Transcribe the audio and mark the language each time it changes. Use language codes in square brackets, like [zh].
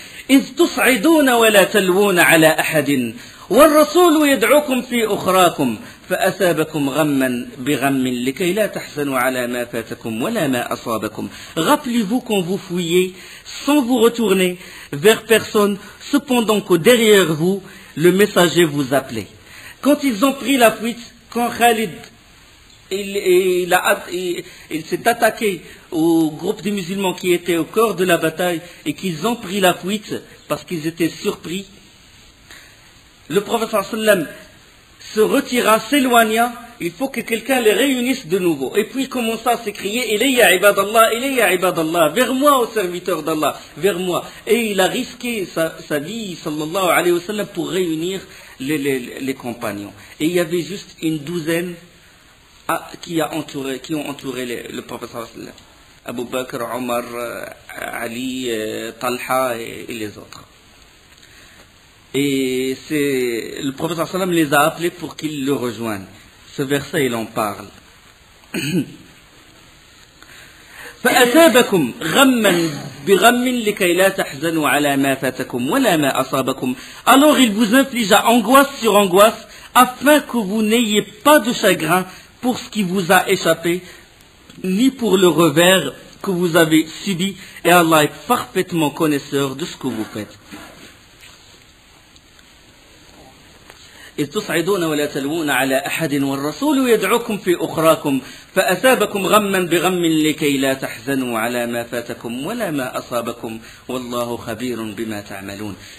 [ar] إذ تصعدون ولا تلوون على أحد والرسول يدعوكم في أخراكم فأثابكم غما بغم لكي لا تحزنوا على ما فاتكم ولا ما أصابكم [fr] Rappelez-vous quand vous fouillez sans vous retourner vers personne, cependant que derrière vous le messager vous appelait. Quand ils ont pris la fuite, quand Khalid Il s'est attaqué au groupe des musulmans qui étaient au cœur de la bataille et qu'ils ont pris la fuite parce qu'ils étaient surpris. Le prophète sallam se retira, s'éloigna. Il faut que quelqu'un les réunisse de nouveau. Et puis il commença à s'écrier, « [ar] Ilayya ibad Allah, ilayya ibad Allah, [fr] vers moi, ô serviteur d'Allah, vers moi. » Et il a risqué sa vie, sallallahu alayhi wa sallam, pour réunir les compagnons. Et il y avait juste une douzaine qui ont entouré le prophète sallallahu alayhi wa sallam. Abu Bakr, Omar, Ali, Talha et les autres. Et c'est le prophète sallallahu alayhi wa sallam les a appelés pour qu'ils le rejoignent. Ce verset, il en parle. [ar] فأثابكم غما بغم لكي لا تحزنوا على ما فاتكم ولا ما أصابكم. [fr] Alors il vous inflige angoisse sur angoisse afin que vous n'ayez pas de chagrin pour ce qui vous a échappé, ni pour le revers que vous avez subi, et Allah est parfaitement connaisseur de ce que vous faites. [ar] إذ تصعدون ولا تلوون على أحد والرسول يدعوكم في أخراكم فأثابكم غما بغم لكي لا تحزنوا على ما فاتكم ولا ما أصابكم والله خبير بما تعملون.